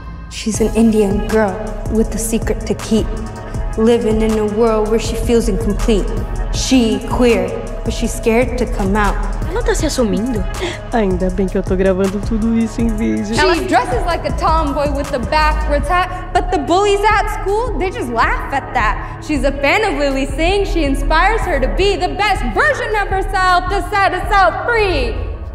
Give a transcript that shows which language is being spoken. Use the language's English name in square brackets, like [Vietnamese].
[English] She's an Indian girl with a secret to keep. Living in a world where she feels incomplete. She queer, but she's scared to come out. [Portuguese] Ela tá se assumindo? Ainda bem que eu tô gravando tudo isso em vídeo. [English] She dresses like a tomboy with a backwards hat, but the bullies at school, they just laugh at that. She's a fan of Lily Singh. She inspires her to be the best version of herself to set us out free.